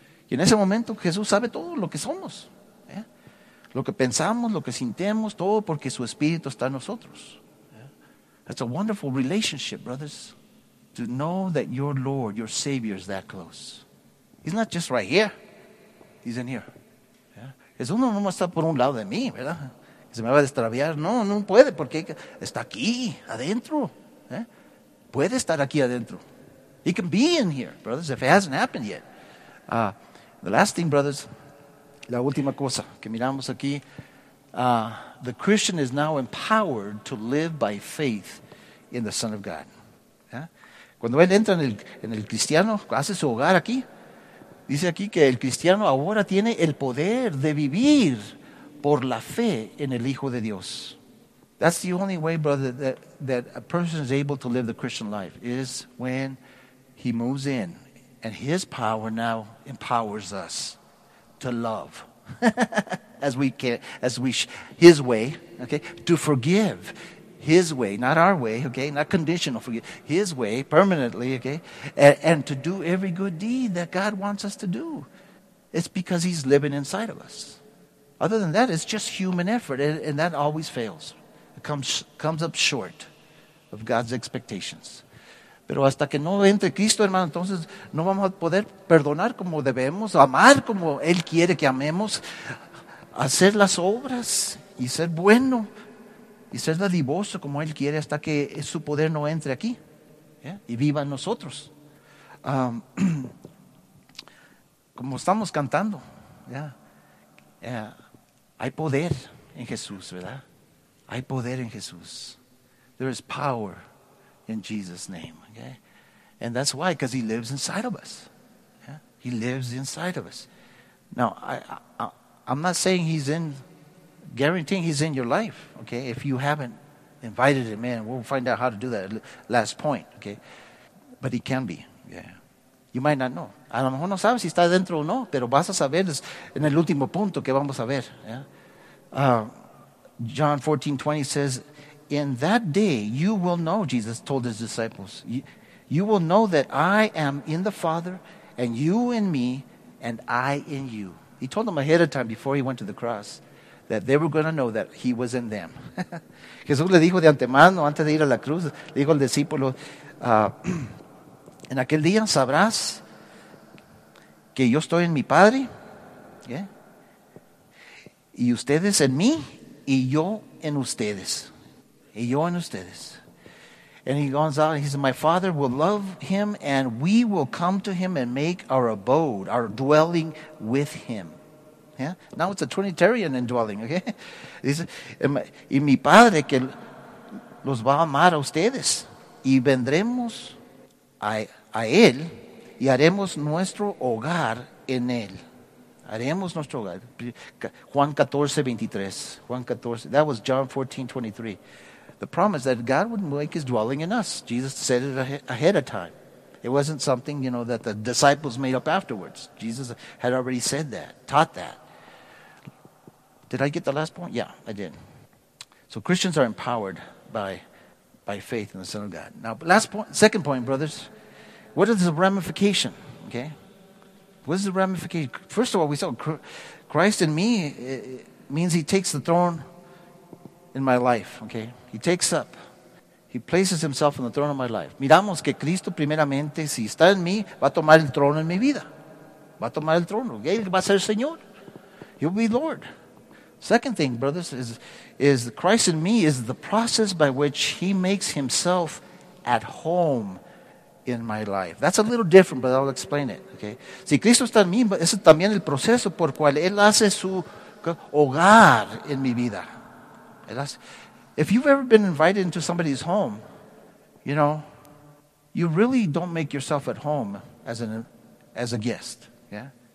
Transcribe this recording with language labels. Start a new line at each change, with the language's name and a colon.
Spanish: Y en ese momento Jesús sabe todo lo que somos, ¿eh? Lo que pensamos, lo que sintemos, todo porque su Espíritu está en nosotros.
English: That's a wonderful relationship, brothers, to know that your Lord, your Savior is that close. He's not just right here, he's in here.
Spanish: ¿Eh? Jesús no está por un lado de mí, ¿verdad? Se me va a extraviar. No, no puede, porque está aquí, adentro. ¿Eh? Puede estar aquí adentro.
English: He can be in here, brothers, if it hasn't happened yet. The last thing, brothers,
Spanish: la última cosa que miramos aquí,
English: the Christian is now empowered to live by faith in the Son of God. ¿Eh?
Spanish: Cuando él entra en el cristiano, hace su hogar aquí, dice aquí que el cristiano ahora tiene el poder de vivir por la fe en el Hijo de Dios.
English: That's the only way, brother, that a person is able to live the Christian life is when he moves in and his power now empowers us to love as we can, as we his way, okay? To forgive his way, not our way, okay? Not conditional forgive, his way permanently, okay? And to do every good deed that God wants us to do. It's because he's living inside of us. Other than that, it's just human effort, and that always fails. It comes up short of God's expectations.
Spanish: Pero hasta que no entre Cristo, hermano, entonces no vamos a poder perdonar como debemos, amar como Él quiere que amemos, hacer las obras y ser bueno y ser dadivoso como Él quiere hasta que su poder no entre aquí, ¿eh? Y viva en nosotros. Como estamos cantando, ¿ya? Hay poder en Jesús, ¿verdad? Hay poder en Jesús.
English: There is power in Jesus' name, okay? And that's why, because he lives inside of us. Yeah? He lives inside of us. Now, I'm not saying he's in, guaranteeing he's in your life, okay? If you haven't invited him in, we'll find out how to do that last point, okay? But he can be, yeah. You might not know.
Spanish: A lo mejor no sabes si está dentro o no, pero vas a saber en el último punto que vamos a ver.
English: Yeah? John 14:20 says, in that day you will know, Jesus told his disciples, you will know that I am in the Father and you in me and I in you. He told them ahead of time before he went to the cross that they were going to know that he was in them.
Spanish: Jesús le dijo de antemano, antes de ir a la cruz, le dijo al discípulo, en aquel día sabrás que yo estoy en mi Padre, yeah, y ustedes en mí, y yo en ustedes. Y yo en ustedes.
English: And he goes out, he says, my Father will love him, and we will come to him and make our abode, our dwelling with him. Yeah? Now it's a Trinitarian indwelling. Okay?
Spanish: Dice, y mi Padre que los va a amar a ustedes. Y vendremos a Él y haremos nuestro hogar en Él. Haremos nuestro hogar. Juan 14, 23.
English: Juan 14, that was John 14, 23. The promise that God would make His dwelling in us. Jesus said it ahead of time. It wasn't something, you know, that the disciples made up afterwards. Jesus had already said that, taught that. Did I get the last point? Yeah, I did. So Christians are empowered by faith in the Son of God. Now, last point, second point, brothers. What is the ramification? Okay? What is the ramification? First of all, we saw Christ in me means He takes the throne in my life. Okay? He takes up. He places Himself on the throne of my life.
Spanish: Miramos que Cristo primeramente, si está en mí, va a tomar el trono en mi vida. Va a tomar el trono. Él va a ser Señor.
English: He'll be Lord. Second thing, brothers, is Christ in me is the process by which He makes Himself at home in my life. That's a little different, but I'll explain it. Okay?
Spanish: Si Cristo está en mí, ese también el proceso por cual Él hace su hogar en mi vida. Él hace...
English: If you've ever been invited into somebody's home, you know, you really don't make yourself at home as a guest, yeah?